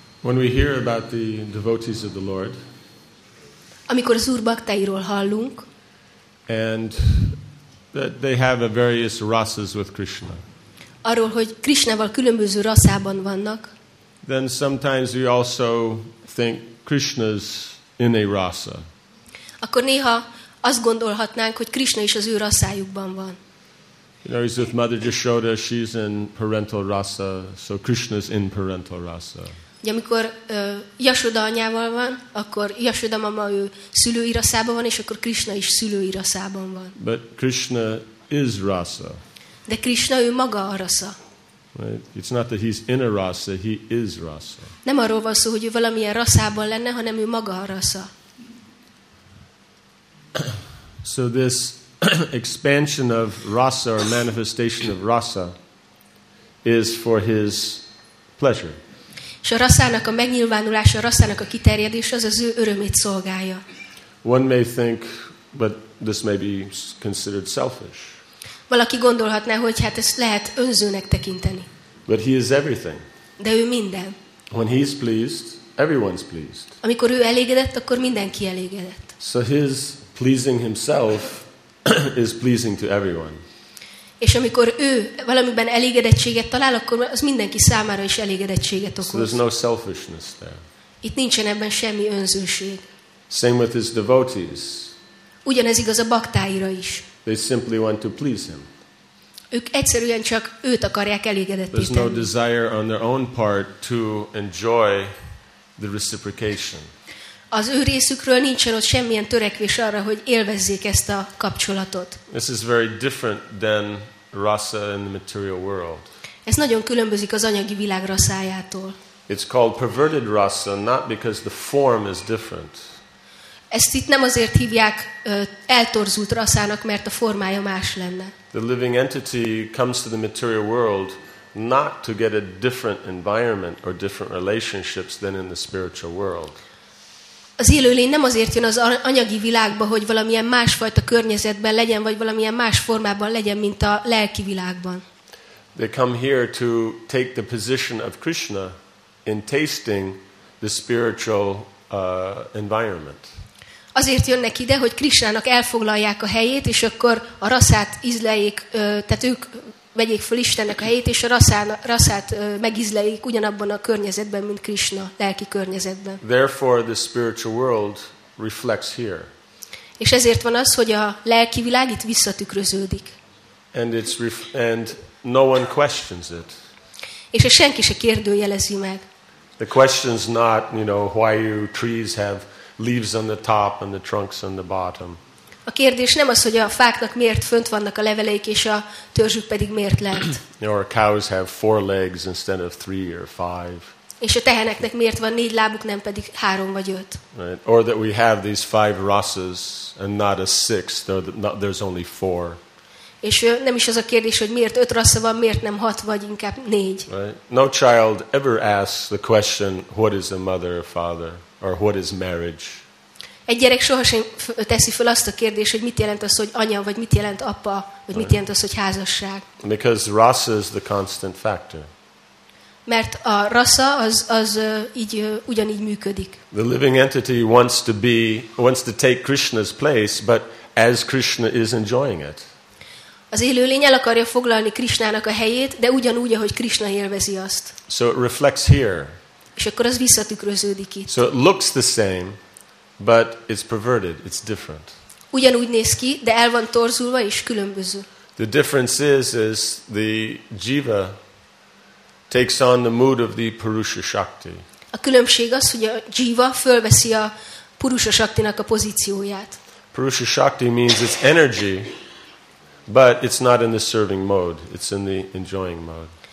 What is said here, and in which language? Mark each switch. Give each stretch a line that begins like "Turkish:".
English: When we hear about the devotees of the Lord,
Hungarian: amikor az úrbaktairól hallunk,
English: and that they have a various rasas with Krishna,
Hungarian: arról, hogy Krishnával különböző rasszában vannak,
English: then sometimes we also think Krishna's in a rasa.
Hungarian: Akkor néha azt gondolhatnánk, hogy Krishna is az ő rasszájukban van.
English: You know, he's with Mother Jashoda, she's in parental rasa, so Krishna's in parental rasa.
Hungarian: Ugye, amikor Jasoda anyával van, akkor Jasoda mama ő szülői rasszában van, és akkor Krishna is szülői rasszában van.
English: But Krishna is rasa.
Hungarian: De Krishna ő maga a rasza.
English: Right? It's not that he's in a rasa, he is rasa.
Hungarian: Nem arról van szó, hogy ő valamilyen rasszában lenne, hanem ő maga a rasza.
English: So this expansion of rasa or manifestation of rasa is for his pleasure.
Hungarian: És a rasszának a megnyilvánulása, a rasszának a kiterjedése az az ő örömét szolgálja.
English: One may think, but this may be considered selfish.
Hungarian: Valaki gondolhatná, hogy hát ezt lehet önzőnek tekinteni.
English: But he is everything.
Hungarian: De ő minden.
English: When he's pleased, everyone's pleased.
Hungarian: Amikor ő elégedett, akkor mindenki elégedett.
English: So his pleasing himself is pleasing to everyone.
Hungarian: És amikor ő valamiben elégedettséget talál, akkor az mindenki számára is elégedettséget okoz.
English: So there's no selfishness there.
Hungarian: Itt nincsen ebben semmi önzőség.
English: Same with his devotees.
Hungarian: Ugyanez igaz a baktáira is.
English: They simply want to please him.
Hungarian: Ők egyszerűen csak őt akarják elégedetteni.
English: There's no desire on their own part to enjoy the reciprocation.
Hungarian: Az ő részükről nincsen ott semmilyen törekvés arra, hogy élvezzék ezt a kapcsolatot.
English: This is very different than rasa in the material world.
Hungarian: Ez nagyon különbözik az anyagi világ rasszájától.
English: It's called perverted rasa, not because the form is different.
Hungarian: Ezt itt nem azért hívják eltorzult rasszának, mert a formája más lenne.
English: The living entity comes to the material world not to get a different environment or different relationships than in the spiritual world.
Hungarian: Az élőlény nem azért jön az anyagi világba, hogy valamilyen másfajta környezetben legyen, vagy valamilyen más formában legyen, mint a lelki világban.
English: They come here to take the position of Krishna in tasting the spiritual environment.
Hungarian: Azért jönnek ide, hogy Krishnának elfoglalják a helyét, és akkor a rasszát ízleljék, tehát ők vegyék fel Istennek a helyét, és a rasszát megízleljék ugyanabban a környezetben, mint Krishna, lelki környezetben.
English: Therefore the spiritual world reflects here.
Hungarian: És ezért van az, hogy a lelki világ itt visszatükröződik.
English: And no one questions it.
Hungarian: És ezt senki se kérdőjelezi meg.
English: The question's not, you know, why you trees have leaves on the top and the trunks on the bottom.
Hungarian: A kérdés nem az, hogy a fáknak miért fönt vannak a leveleik, és a törzsük pedig miért lent.
English: Or cows have four legs instead of three or five.
Hungarian: És a teheneknek miért van négy lábuk, nem pedig három vagy öt.
English: Right. Or that we have these five rasas and not a sixth, or that there's only four.
Hungarian: És nem is az a kérdés, hogy miért öt rassza van, miért nem hat, vagy inkább négy.
English: Right. No child ever asks the question, what is a mother or father, or what is marriage?
Hungarian: Egy gyerek sohasem teszi fel azt a kérdést, hogy mit jelent az, hogy anya, vagy mit jelent apa, vagy mit jelent az, hogy házasság.
English: Because rasa is the constant factor.
Hungarian: Mert a rasa az így ugyanígy működik.
English: The living entity wants to take Krishna's place, but as Krishna is enjoying it.
Hungarian: Az élőlény el akarja foglalni Krishnának a helyét, de ugyanúgy, ahogy Krishna élvezi azt.
English: So it reflects here.
Hungarian: És akkor az visszatükröződik itt.
English: So it looks the same. But it's perverted, it's different.
Hungarian: Ugyanúgy néz ki, de el van torzulva és különböző.
English: The difference is the jiva takes on the mood of the purusha shakti.
Hungarian: A különbség az, hogy a jiva fölveszi a purusha shaktinak a pozícióját.
English: Purusha shakti means it's energy, but it's not in the serving mode, it's in the enjoying mode.